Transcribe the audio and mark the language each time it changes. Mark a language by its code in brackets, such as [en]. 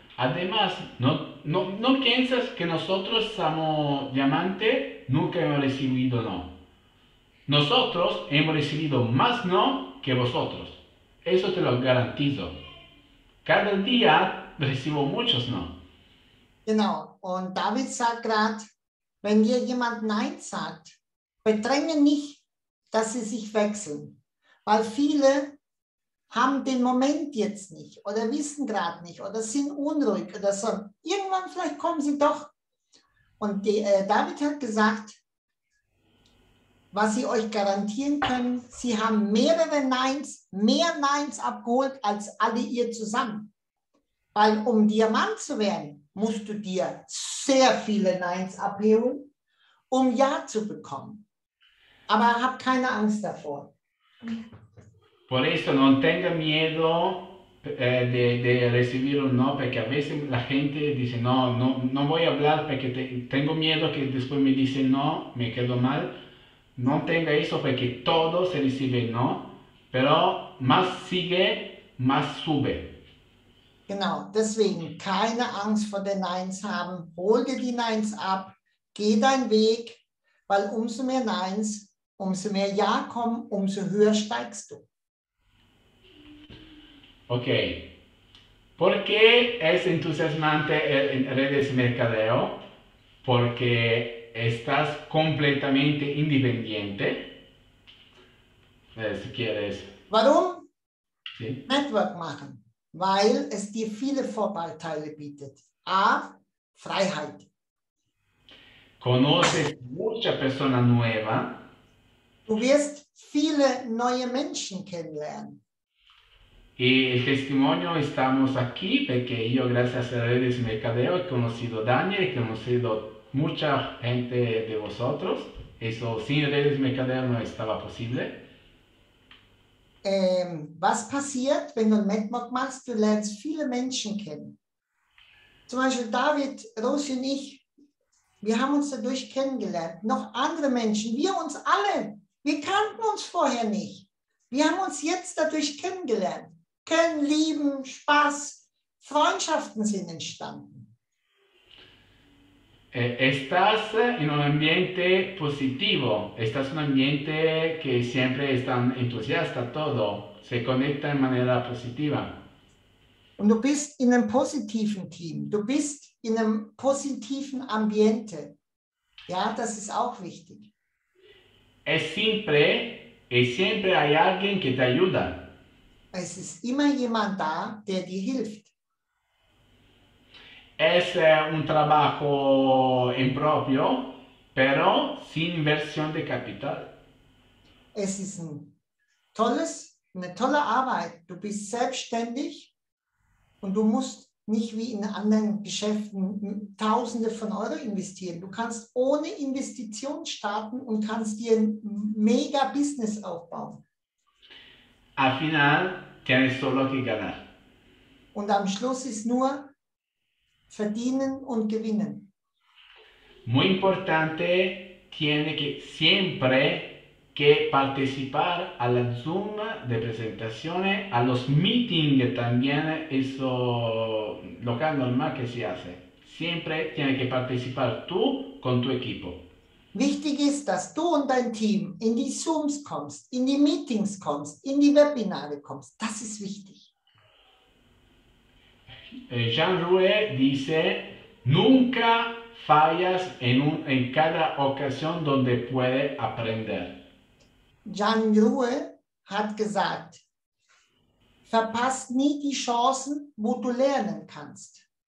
[es] Además, no piensas que nosotros somos diamantes, nunca hemos recibido no. Nosotros hemos recibido más no que vosotros. Eso te lo garantizo. Cada día recibo muchos no. [de] Genau. Und David sagt gerade, wenn dir jemand Nein sagt, bedränge nicht, dass sie sich wechseln. Weil viele haben den Moment jetzt nicht oder wissen gerade nicht oder sind unruhig oder so. Irgendwann vielleicht kommen sie doch. Und David hat gesagt, was sie euch garantieren können, sie haben mehrere Neins, mehr Neins abgeholt als alle ihr zusammen. Weil um Diamant zu werden, musst du dir sehr viele Neins abholen, um Ja zu bekommen. Aber hab keine Angst davor. [es] Por eso no tenga miedo de recibir un no, porque a veces la gente dice no voy a hablar porque tengo miedo que después me dicen no, me quedo mal. No tenga eso porque todo se recibe no, pero más sigue, más sube. [de] Genau, deswegen keine Angst vor den Neins haben, hol dir die Neins ab, geh deinen Weg, weil umso mehr Neins, umso mehr Ja kommen, umso höher steigst du. [es] Ok, ¿por qué es entusiasmante en redes mercadeo? Porque estás completamente independiente. Si quieres. [de] Warum? [es] Sí. [de] Network machen, weil es dir viele Vorteile bietet. A, Freiheit. [es] Conoces mucha persona nueva. [de] Du wirst viele neue Menschen kennenlernen. [es] Y el testimonio estamos aquí porque yo, gracias a redes Mercadeo, he conocido a Daniel, he conocido mucha gente de vosotros. Eso sin redes Mercadeo no estaba posible. [de] Was passiert, wenn du ein MedMock machst? Du lernst viele Menschen kennen. Zum Beispiel David, Rosi und ich, wir haben uns dadurch kennengelernt. Noch andere Menschen, wir uns alle. Wir kannten uns vorher nicht. Wir haben uns jetzt dadurch kennengelernt. Kennen, lieben, Spaß, Freundschaften sind entstanden. [es] Estás en un ambiente positivo. Estás en un ambiente que siempre están entusiasta todo. Se conecta de manera positiva. [de] Und du bist in einem positiven Team. Du bist in einem positiven Ambiente. Ja, das ist auch wichtig. [es] Es siempre hay alguien que te ayuda. [de] Es ist immer jemand da, der dir hilft. [es] Es un trabajo en propio, pero sin inversión de capital. [de] Es ist ein tolles, eine tolle Arbeit. Du bist selbstständig und du musst nicht wie in anderen Geschäften Tausende von Euro investieren. Du kannst ohne Investition starten und kannst dir ein Mega-Business aufbauen. [es] Al final, tienes solo que ganar. [de] Und am Schluss ist nur verdienen und gewinnen. [es] Muy importante, tiene que siempre que participar a la Zoom de presentaciones, a los meetings también, eso local normal que se hace. Siempre tiene que participar tú con tu equipo. [de] Wichtig ist, dass du und dein Team in die Zooms kommst, in die Meetings kommst, in die Webinare kommst. Das ist wichtig. [es] Jean Rouet dice, nunca fallas en cada ocasión donde puede aprender. [de] Jean Rouet hat gesagt, verpasst nie die Chancen, wo du lernen kannst.